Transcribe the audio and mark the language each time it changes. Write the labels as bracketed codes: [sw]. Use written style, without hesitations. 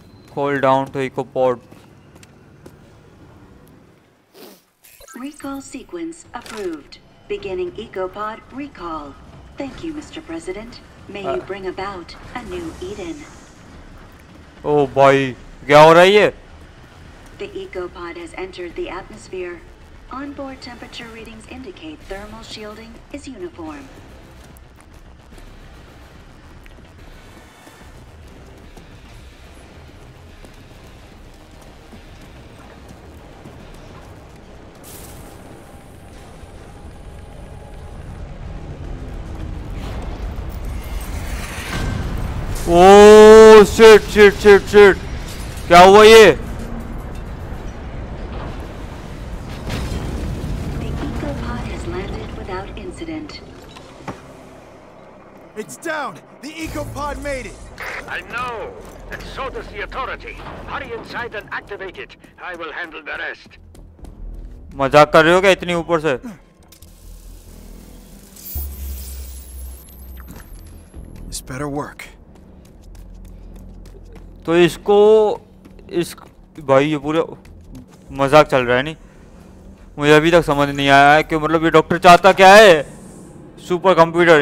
[en] Call down to Eco Pod. Recall sequence approved. Beginning Eco Pod recall. Thank you, Mr. President. May you bring about a new Eden. Oh boy, [hi] क्या हो रहा है ये? [en] The eco pod has entered the atmosphere. Onboard temperature readings indicate thermal shielding is uniform. Shit. [hi] क्या हुआ ये? [en] The eco pod has landed without incident. It's down. The eco pod made it. I know. And so does the authority. Hurry inside and activate it. I will handle the rest. [hi] मजाक कर रहे हो क्या इतनी ऊपर से? [en] This better work. [hi] तो इसको इस भाई ये पूरे मजाक चल रहा है नहीं मुझे अभी तक समझ नहीं आया है कि मतलब ये डॉक्टर चाहता क्या है सुपर कंप्यूटर